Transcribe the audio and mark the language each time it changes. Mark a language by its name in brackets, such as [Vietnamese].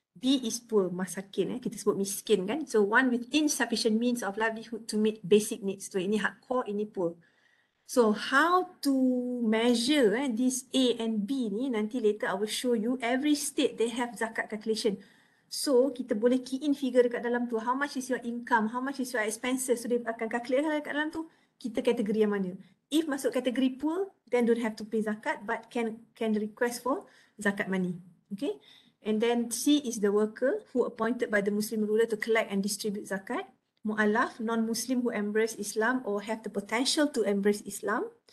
[English] B is poor, masakin, kita sebut miskin kan. So one with insufficient means of livelihood to meet basic needs. So ini hardcore, ini poor. So how to measure this A and B ni, nanti later I will show you every state they have zakat calculation. So kita boleh key in figure dekat dalam tu. How much is your income? How much is your expenses? [Malay] So dia akan calculate dekat dalam tu. Kita kategori yang mana? [English] If masuk kategori poor, then don't have to pay zakat but can request for zakat money. Okay? And then C is the worker who appointed by the Muslim ruler to collect and distribute zakat. Mu'alaf, non-Muslim who embrace Islam or have the potential to embrace Islam.